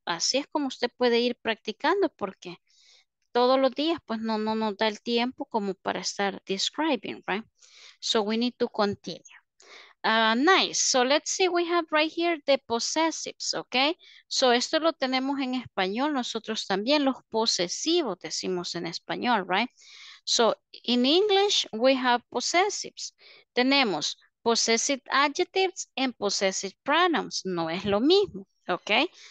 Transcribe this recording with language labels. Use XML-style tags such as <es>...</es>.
<es>Así es como usted puede ir practicando porque todos los días, pues no, no nos da el tiempo como para estar describing, right?</es> <en>So we need to continue. Nice. So let's see, we have right here the possessives, okay?</en> <es>So esto lo tenemos en español, nosotros también, los posesivos decimos en español, right?</es> <en>So in English, we have possessives. Tenemos possessive adjectives and possessive pronouns.</en> <es>No es lo mismo, okay?</es>